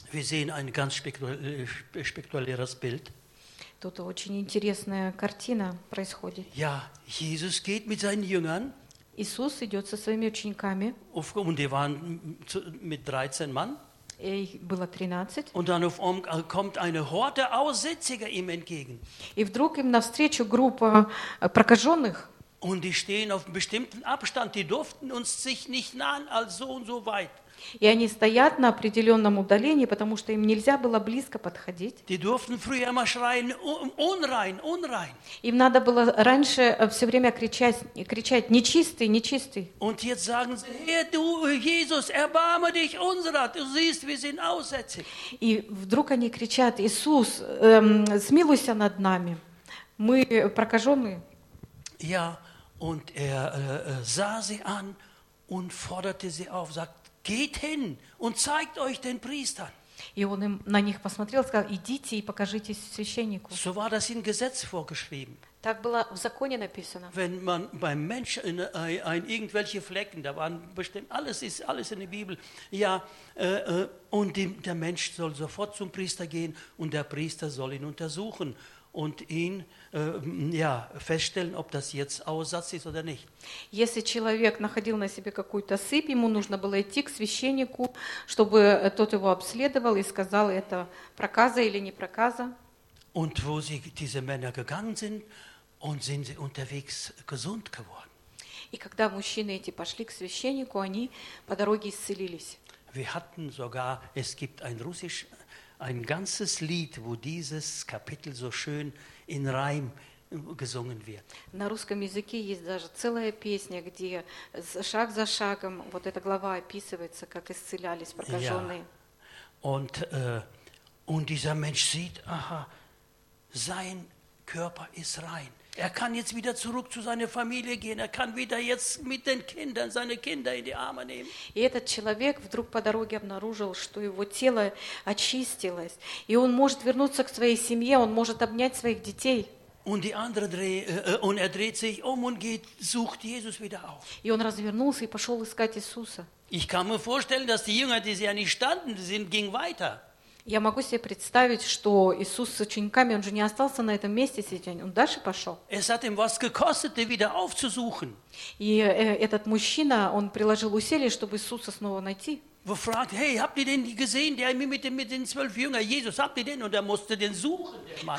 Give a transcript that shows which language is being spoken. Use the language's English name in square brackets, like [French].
[German] Wir sehen ein ganz spektakuläres Bild. [Russian] Тут очень интересная картина происходит. [German] Ja, Jesus geht mit seinen Jüngern. [Russian] Иисус идет со своими учениками. [German] Und die waren mit 13 Mann. [Russian] Их было 13. [German] Und dann kommt eine Horde Aussätziger ihm entgegen. [Russian] И вдруг им навстречу группа прокаженных. [German] Und die stehen auf einem bestimmten Abstand. Die durften uns sich nicht nahen als so und so weit. [Russian] И они стоят на определенном удалении, потому что им нельзя было близко подходить. [German] Die durften früher immer schreien, unrein, unrein. [Russian] Им надо было раньше все время кричать «Нечистый, нечистый!». [German] Und jetzt sagen sie, hey, du, Jesus, erbarme dich unserer. Du siehst, wir sind aussätzig. [Russian] И вдруг они кричат: «Иисус, смилуйся над нами, мы прокаженные». [German] Ja, und er sah sie an und forderte sie auf, sagt: Geht hin und zeigt euch den Priestern. [Russian] И он им, на них посмотрел, сказал: идите и покажитесь священнику. [German] So war das in Gesetz vorgeschrieben. [Russian] Так было в законе написано. [German] Wenn man beim Menschen in irgendwelche Flecken, da waren bestimmt alles in der Bibel, ja, und der Mensch soll sofort zum Priester gehen und der Priester soll ihn untersuchen und ihn ja, feststellen, ob das jetzt Aussatz ist oder nicht. [Russian] Если человек находил на себе какую-то сыпь, ему нужно было идти к священнику, чтобы тот его обследовал и сказал, это проказа или не проказа. [German] Und wo sie diese Männer gegangen sind und sind sie unterwegs gesund geworden. [Russian] И когда мужчины эти пошли к священнику, они по дороге исцелились. [German] Wir hatten sogar, es gibt ein Russisch, ein ganzes Lied, wo dieses Kapitel so schön in Reim gesungen wird. [Russian] На русском языке есть даже целая песня, где шаг за шагом вот эта глава описывается, как исцелялись прокаженные. [German] Ja. Und dieser Mensch sieht, aha, sein Körper ist rein. Kann jetzt wieder zurück zu seiner Familie gehen. Kann wieder jetzt mit den Kindern seine Kinder in die Arme nehmen. [Russian] И этот человек вдруг по дороге обнаружил, что его тело очистилось, и он может вернуться к своей семье, он может обнять своих детей. [German] Und die andere und er dreht sich um und geht, sucht Jesus wieder auf. [Russian] И он развернулся и пошел искать Иисуса. [German] Ich kann mir vorstellen, dass die Jünger, die sie an ihm standen, sind, ging weiter. [Russian] Я могу себе представить, что Иисус с учениками, он же не остался на этом месте сидеть, он дальше пошел. [German] Es hat ihm was gekostet, ihn wieder aufzusuchen. [Russian] И этот мужчина, он приложил усилия, чтобы Иисуса снова найти. [German] Wo fragt, hey, habt ihr den gesehen, der mit den 12 Jüngern, Jesus, habt ihr den? Und er musste den suchen, der Mann.